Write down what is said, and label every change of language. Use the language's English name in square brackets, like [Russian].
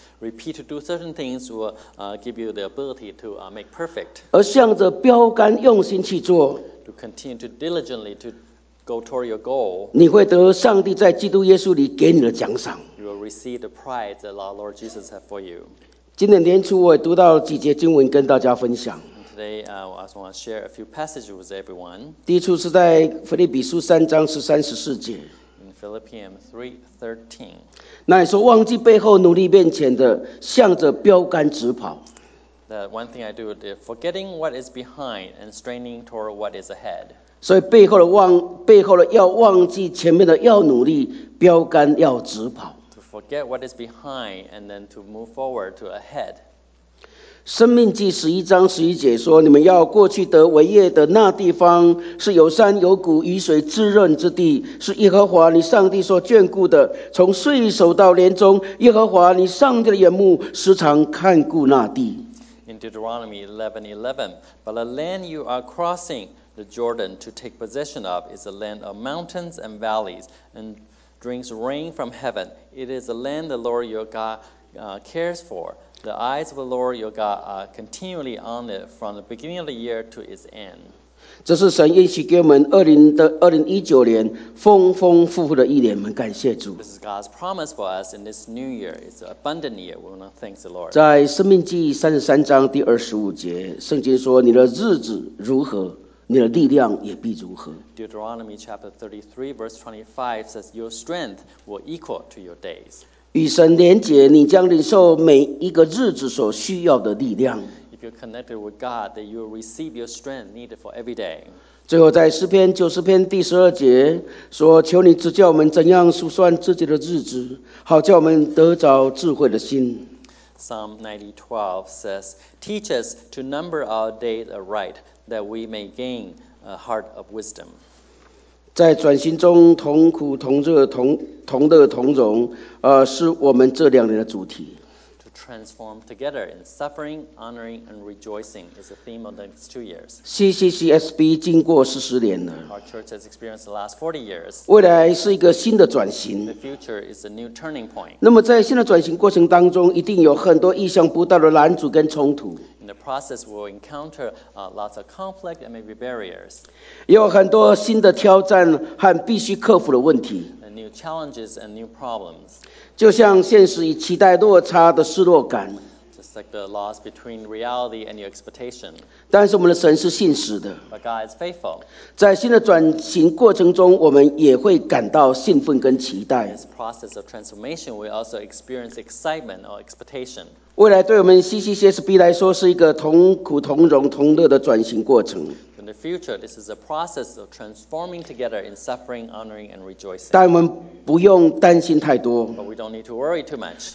[English] Repeat to do certain things will give you the ability to make perfect. [Chinese] 而向着标杆用心去做。 [English] To continue to diligently to go toward your goal. [Chinese] 你会得上帝在基督耶稣里给你的奖赏。 [English] You will receive the prize that our Lord Jesus has for you. [Chinese] 今年年初我也读到几节经文跟大家分享。 [English] Today, I just want to share a few passages with everyone. [Chinese] 第一处是在腓立比书三章十三十四节。 [English] Philippians 3:13. [Chinese] 那你说忘记背后努力面前的向着标杆直跑。 [English] The one thing I do is forgetting what is behind and straining toward what is ahead. [Chinese] 所以背后的要忘记前面的要努力标杆要直跑。 [English] To forget what is behind and then to move forward to ahead. [Chinese] 生命记十一章十一节说你们要过去得为业的那地方是有山有谷雨水滋润之地是耶和华你上帝所眷顾的从岁首到年终耶和华你上帝的眼目时常看顾那地 [English] In Deuteronomy 11:11 But the land you are crossing the Jordan to take possession of is a land of mountains and valleys and drinks rain from heaven It is a land the Lord your Godcares for. The eyes of the Lord your God are continually on it from the beginning of the year to its end. [Chinese] 这是神应许给我们2019年丰丰富富的一年，我们感谢主。 [English] This is God's promise for us in this new year. It's an abundant year. We want to thank the Lord. [Chinese] 在《生命记》三十三章第二十五节，圣经说：“你的日子如何，你的力量也必如何。” [English] Deuteronomy chapter 33 verse 25 says, "Your strength will equal to your days." [Chinese] 与神连结，你将领受每一个日子所需要的力量。 [English] If you're connected with God, then you'll receive your strength needed for every day. [Chinese] 最后，在诗篇九十篇第十二节说：“求你指教我们怎样数算自己的日子，好叫我们得着智慧的心。” [English] Psalm 90:12 says, "Teach us to number our days aright, that we may gain a heart of wisdom." [Chinese] 在转型中，同苦同乐同乐同荣。是我们这两年的主题。 [English] To transform together in suffering, honoring, and rejoicing is the theme of the next 2 years. [Chinese] CCCSB 经过四十年了。 [English] Our church has experienced the last 40 years. [Chinese] 未来是一个新的转型。 [English] The future is a new turning point. [Chinese] 那么在新的转型过程当中，一定有很多意想不到的拦阻跟冲突。 [English] In the process, we'll encounter lots of conflict and maybe barriers. [Chinese] 也有很多新的挑战和必须克服的问题。 [English] New challenges and new problems. [Chinese] 就像现实与期待落差的失落感。 [English] Just like the loss between reality and your expectation. [Chinese] 但是我们的神是信实的。 [English] But God is faithful. [Chinese] 在新的转型过程中，我们也会感到兴奋跟期待。 [English] In this process of transformation, we also experience excitement or expectation. [Chinese] 未来对我们 CCCSB 来说是一个同苦同荣同乐的转型过程。 [English] In the future, this is a process of transforming together in suffering, honoring, and rejoicing. [Chinese] 但我们不用担心太多。 [English] But we don't need to worry too much.